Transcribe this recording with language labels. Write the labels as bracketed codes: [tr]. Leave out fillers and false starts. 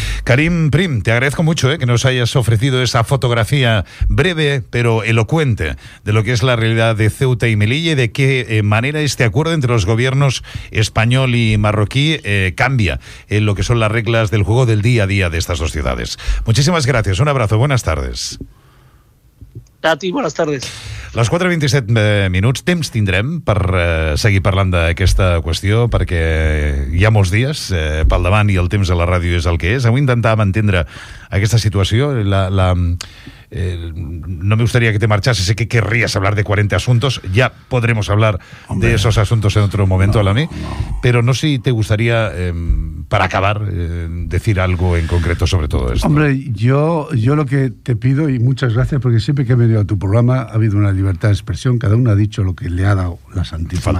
[es] Karim Prim, te agradezco mucho que nos hayas ofrecido esa fotografía breve pero elocuente de lo que es la realidad de Ceuta y Melilla y de qué manera este acuerdo entre los gobiernos español y marroquí cambia en lo que son las reglas del juego del día a día de estas dos ciudades. Muchísimas gracias, un abrazo, buenas tardes. A ti, buenas tardes. [ca] Les 4:27 minuts, temps tindrem per seguir parlant d'aquesta qüestió, perquè hi ha molts dies pel davant i el temps a la ràdio és el que és. Avui intentàvem entendre aquesta situació. [es] No me gustaría que te marchases, sé que querrías hablar de 40 asuntos, ya podremos hablar hombre, de esos asuntos en otro momento, pero no sé si te gustaría, para acabar, decir algo en concreto sobre todo esto. Hombre, yo lo que te pido, y muchas gracias, porque siempre que he venido a tu programa ha habido una libertad de expresión, cada uno ha dicho lo que le ha dado la santísima